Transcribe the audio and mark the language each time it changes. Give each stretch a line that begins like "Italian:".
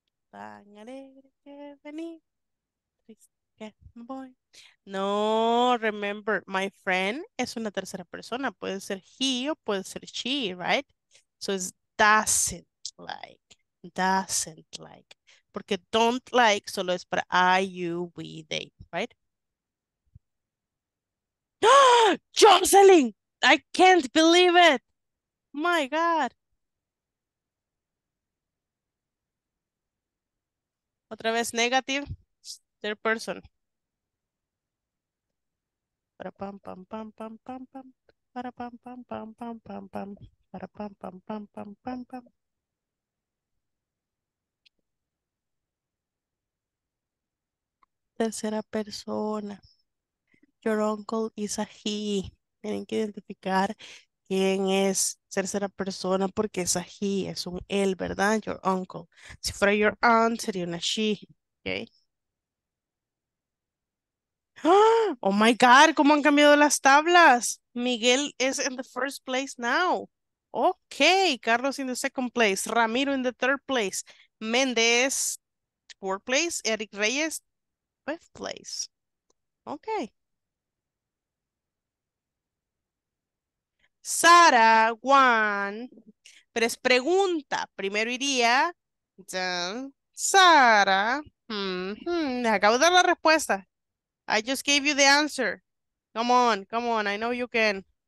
Spanish: Tan alegre que vení, triste que me voy. No,
English: remember, my friend
Spanish: es una tercera persona. Puede ser he o puede ser she, right?
English: So it's doesn't like, porque don't like solo es para I, you, we, they, right? Jocelyn, I can't believe it. My God.
Spanish: Otra vez, negative, third person. Para pam pam pam pam pam pam. Para pam pam pam pam pam pam. Para pam pam pam pam pam pam. Tercera persona.
English: Your uncle is a he.
Spanish: Tienen que identificar quién es tercera persona, porque es a he, es un él, ¿verdad? Your uncle. Si fuera
English: your aunt,
Spanish: sería una she, ¿okay?
English: Oh my God,
Spanish: ¿cómo han cambiado las tablas?
English: Miguel is in the first place now. Ok, Carlos in the second place, Ramiro in the third place, Méndez, fourth place, Eric Reyes, fifth place. Ok.
Spanish: Sara, Juan, pero es pregunta. Primero iría, Sara, les acabo de dar la respuesta.
English: I just gave you the answer. Come on, come on, I know you can.